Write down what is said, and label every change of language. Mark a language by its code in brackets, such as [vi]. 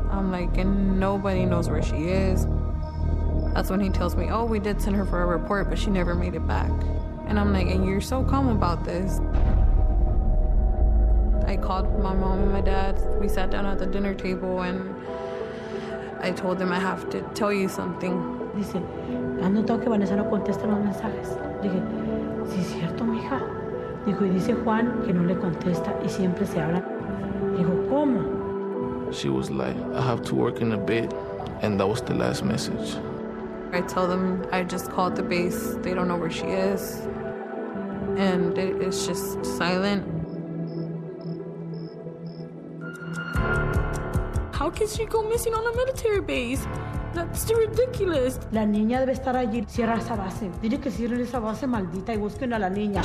[en] I'm like, and nobody knows where she is. That's when he tells me, oh, we did send her for a report, but she never made it back. And I'm like, and you're so calm about this. I called my mom and my dad. We sat down at the dinner table, and I told them, I have to tell you something. [es] Dice, ¿has notado que Vanessa no contesta los mensajes? Dije, sí, es cierto, mija. Dijo, y dice Juan que no le contesta y siempre se habla. Dijo, ¿cómo? [en] She was like, I have to work in a bit. And that was the last message. I tell them I just called the base. They don't know where she is. And it's just silent. How can she go missing on a military base? That's too ridiculous. [es] La niña debe estar allí. Cierra esa base. Dile que cierren esa base, maldita, y busquen a la niña.